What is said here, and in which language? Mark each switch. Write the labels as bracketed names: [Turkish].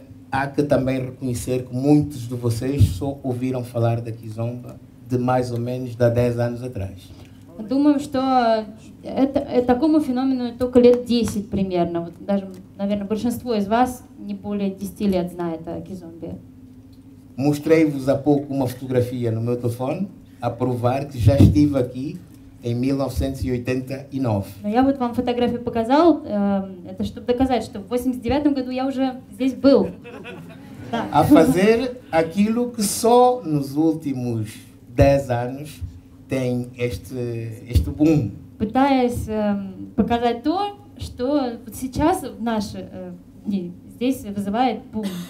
[Portuguese] Há que também reconhecer que muitos de vocês só ouviram falar da Kizomba de mais ou menos há 10 anos atrás. [Russian] Думаю, что это такому феномену только лет 10 примерно. Вот даже, наверное, большинство из вас не более 10 лет знает о кизомбе. [Portuguese] Mostrei-vos há pouco uma fotografia no meu telefone a provar que já estive aqui em 1989. [Russian] Я вот вам фотографию показал, это чтобы доказать, что в 89 году я уже здесь был. [Portuguese] A fazer aquilo que só nos últimos 10 anos tem este boom. [Russian] Пытаясь показать то, что вот сейчас в наши дни здесь вызывает бум.